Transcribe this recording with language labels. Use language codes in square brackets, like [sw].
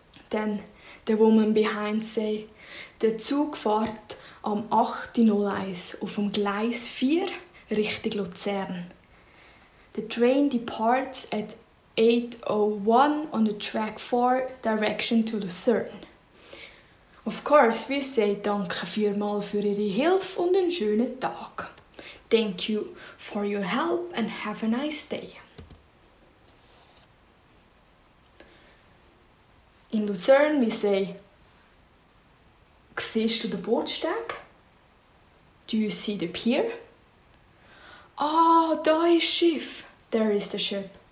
[en] Then the woman behind say, [de] der Zug fährt am 8:01 auf dem Gleis 4 Richtung Luzern. [en] The train departs at 8:01 on the track 4 direction to Lucerne. Of course, we say [de] danke vielmals für Ihre Hilfe und einen schönen Tag. [en] Thank you for your help and have a nice day. In Luzern, we say, [de] siehst du den Bootssteg? [en] Do you see the pier? Ah, [de] da ist Schiff. [en] There is the ship.